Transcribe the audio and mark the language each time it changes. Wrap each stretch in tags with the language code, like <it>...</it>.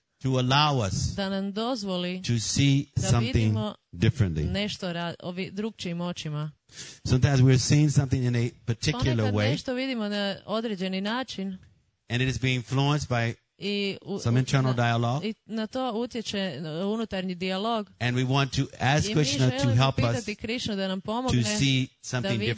<en>To allow us.</en> <hr>Da nam dozvoli.</hr> <en>To see something differently.</en> <hr>Nešto drugčijim očima.</hr> <en>Sometimes we're seeing something in a particular way.</en> <hr>Nešto vidimo na određeni način.</hr> <en>And it is being influenced by some internal dialogue.</en> <hr>I na to utječe unutarnji dijalog.</hr> <en>And we want to ask Krishna to help us.</en> <hr>I mi želimo pitati Krišnu da nam pomogne.</hr> <en>To see something differently.</en>